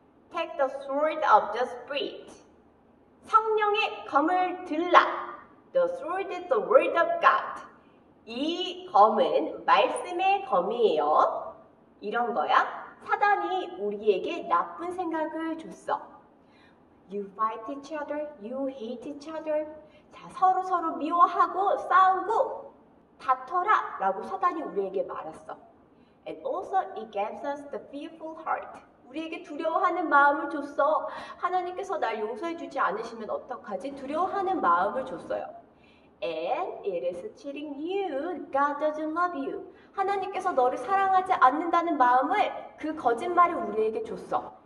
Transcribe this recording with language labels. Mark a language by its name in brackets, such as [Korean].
[English] Take the sword of the Spirit. [Korean] 성령의 검을 들라. [English] The sword is the word of God. [Korean] 이 검은 말씀의 검이에요. 이런 거야. 사단이 우리에게 나쁜 생각을 줬어. [English] You fight each other, you hate each other. [Korean] 자, 서로 미워하고 싸우고 다퉈라 라고 사단이 우리에게 말했어. [English] And also it gives us the fearful heart. [Korean] 우리에게 두려워하는 마음을 줬어. 하나님께서 날 용서해 주지 않으시면 어떡하지? 두려워하는 마음을 줬어요. [English] And it is cheating you. God doesn't love you. [Korean] 하나님께서 너를 사랑하지 않는다는 마음을 그 거짓말을 우리에게 줬어.